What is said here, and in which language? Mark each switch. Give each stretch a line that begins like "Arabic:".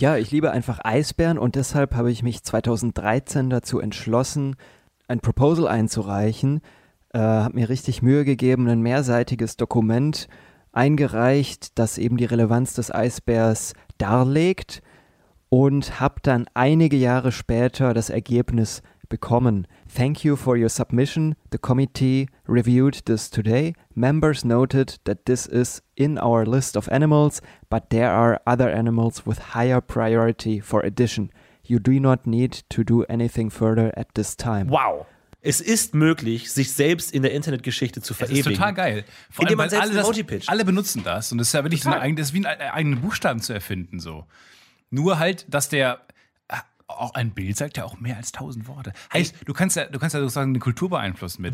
German: Ja, ich liebe einfach Eisbären und deshalb habe ich mich 2013 dazu entschlossen, ein Proposal einzureichen, habe mir richtig Mühe gegeben, ein mehrseitiges Dokument eingereicht, das eben die Relevanz des Eisbärs darlegt und habe dann einige Jahre später das Ergebnis bekommen.
English: Thank you for your submission. The committee reviewed this today. Members noted that this is in our list of animals, but there are other animals with higher priority for addition. You do not need to do anything further at this time. Wow.
German: Es ist möglich, sich selbst in der Internetgeschichte zu verewigen. Das ist total geil. Vor allem, weil alle, alle benutzen das. Und das ist ja wirklich so eigenen Buchstaben zu erfinden. So. Nur halt, dass der auch ein Bild sagt ja auch mehr als 1000 Worte. Heißt, du kannst ja sozusagen eine Kultur beeinflussen mit.